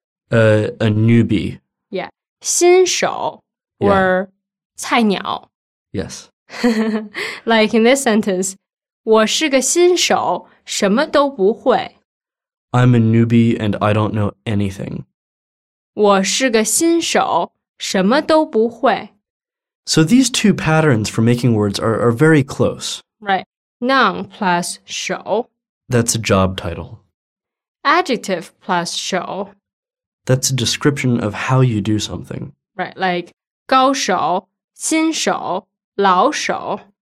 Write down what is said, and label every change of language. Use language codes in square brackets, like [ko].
[en] A newbie. Yeah, 新手 or 菜鸟 Yes. Like in this sentence, [zh] 我是个新手,什么都不会。 [en] I'm a newbie and I don't know anything. [zh] 我是个新手,什么都不会。 [en] So these two patterns for making words are very close. Right. Noun plus 手. That's a job title. Adjective plus 手. That's a description of how you do something. Right, like 高手,新手,老手.